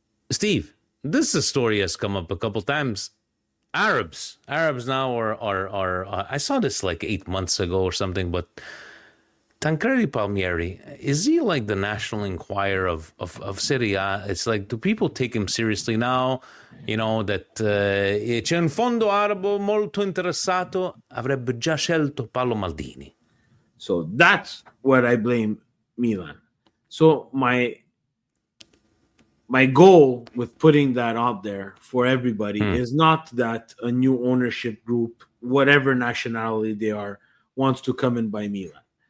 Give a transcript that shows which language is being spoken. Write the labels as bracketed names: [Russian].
[English] Steve, this story has come up a couple times. Arabs now are. I saw this like 8 months ago or something. But Tancredi Palmieri, is he like the National Enquirer of Serie A? It's like, do people take him seriously now? You know that [Italian] c'è un fondo arabo molto interessato avrebbe già scelto Paolo Maldini. [English] So that's where I blame Milan. So my goal with putting that out there for everybody is not that a new ownership group, whatever nationality they are, wants to come and buy Milan.